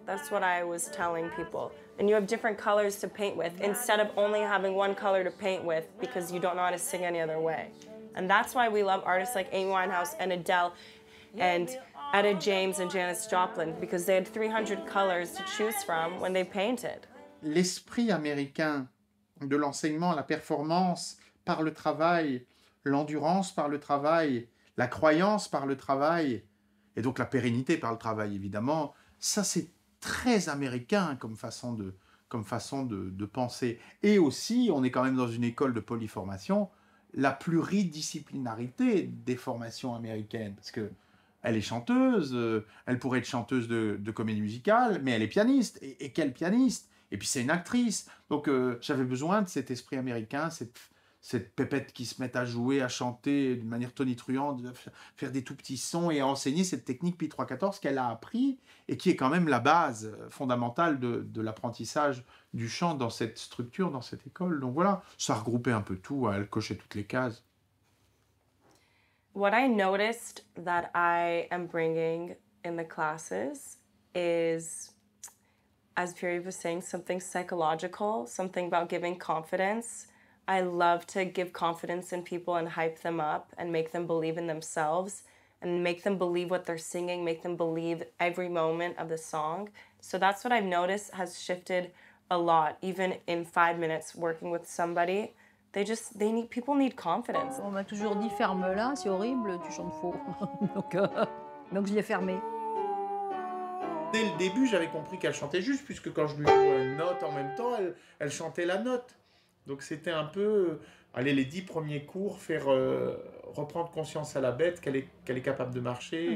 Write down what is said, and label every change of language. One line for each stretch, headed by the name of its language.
English: That's what I was telling people. And you have different colors to paint with instead of only having one color to paint with because you don't know how to sing any other way. And that's why we love artists like Amy Winehouse and Adele and Etta James and Janis Joplin, because they had 300 colors to choose from when they painted.
French: L'esprit américain de l'enseignement, la performance par le travail, l'endurance par le travail, la croyance par le travail, et donc la pérennité par le travail, évidemment, ça c'est très américain comme façon de penser. Et aussi, on est quand même dans une école de polyformation, la pluridisciplinarité des formations américaines, parce que elle est chanteuse, elle pourrait être chanteuse de comédie musicale, mais elle est pianiste, et quelle pianiste! Et puis c'est une actrice, donc j'avais besoin de cet esprit américain, cette pépette qui se met à jouer, à chanter d'une manière tonitruante, faire des tout petits sons et enseigner cette technique Pi 3/14 qu'elle a appris et qui est quand même la base fondamentale de l'apprentissage du chant dans cette structure, dans cette école. Donc voilà, ça regroupait un peu tout, elle cochait toutes les cases.
English: What I noticed that I am bringing in the classes is, as Puri was saying, something psychological, something about giving confidence. I love to give confidence in people and hype them up and make them believe in themselves and make them believe what they're singing, make them believe every moment of the song. So that's what I've noticed has shifted a lot, even in 5 minutes working with somebody. People need confidence.
French: On m'a toujours dit ferme-la, c'est horrible, tu chantes faux. Donc j'y ai fermé. Dès le début, j'avais compris qu'elle chantait juste, puisque quand je lui jouais une note en même temps, elle chantait la note. Donc c'était un peu aller les 10 premiers cours, faire reprendre conscience à la bête qu'elle est capable de marcher.